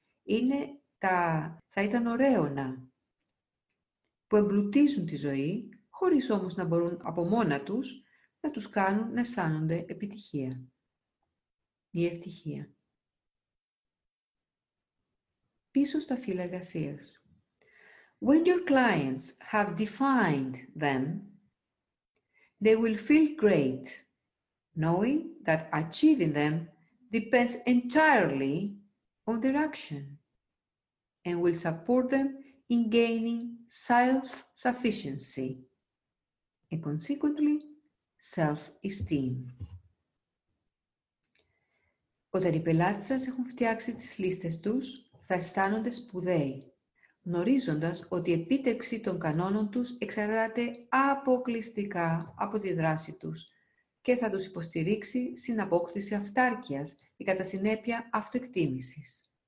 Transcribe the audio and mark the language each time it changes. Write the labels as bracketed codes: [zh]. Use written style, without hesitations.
[el] Είναι τα «θα ήταν ωραίο να» που εμπλουτίζουν τη ζωή, χωρίς όμως να μπορούν από μόνα τους να τους κάνουν να αισθάνονται επιτυχία ή ευτυχία. Πίσω στα φύλλα εργασίας. [en] When your clients have defined them, they will feel great, knowing that achieving them depends entirely on their action and will support them in gaining self-sufficiency and consequently self-esteem. [el] Όταν οι πελάτες σας έχουν φτιάξει τις λίστες τους, θα αισθάνονται σπουδαίοι, γνωρίζοντας ότι η επίτευξη των κανόνων τους εξαρτάται αποκλειστικά από τη δράση τους και θα τους υποστηρίξει στην απόκτηση αυτάρκειας ή κατά συνέπεια αυτοεκτίμησης.